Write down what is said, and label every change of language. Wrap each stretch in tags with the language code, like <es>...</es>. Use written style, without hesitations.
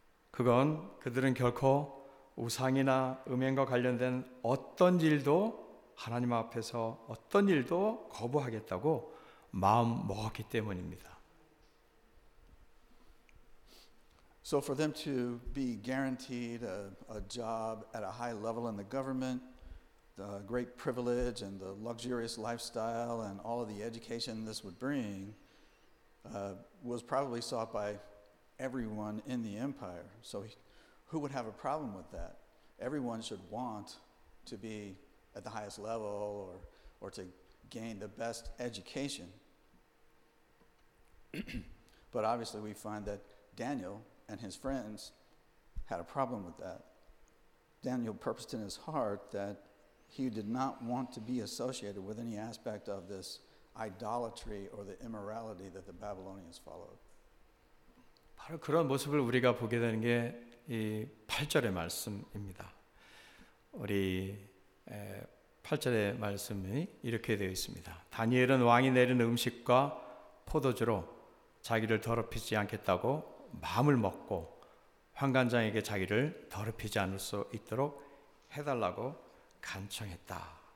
<ko>그건 그들은 결코 우상이나 음행과 관련된 어떤 일도 하나님 앞에서 어떤 일도 거부하겠다고 마음 먹었기 때문입니다.</ko> <en>So for them to be guaranteed a job at a high level in the government, the great privilege and the luxurious lifestyle and all of the education this would bring was probably sought by everyone in the empire. So who would have a problem with that? Everyone should want to be at the highest level or to gain the best education. But obviously we find that Daniel and his friends had a problem with that. Daniel purposed in his heart that he did not want to be associated with any aspect of this idolatry or the immorality that the Babylonians followed.</en> <ko>바로 그런 모습을 우리가 보게 되는 게 이 8절의 말씀입니다. 우리 8절의 말씀이 이렇게 되어 있습니다. 다니엘은 왕이 내린 음식과 포도주로 자기를 더럽히지 않겠다고 마음을 먹고 환관장에게 자기를 더럽히지 않을 수 있도록 해달라고 간청했다.</ko>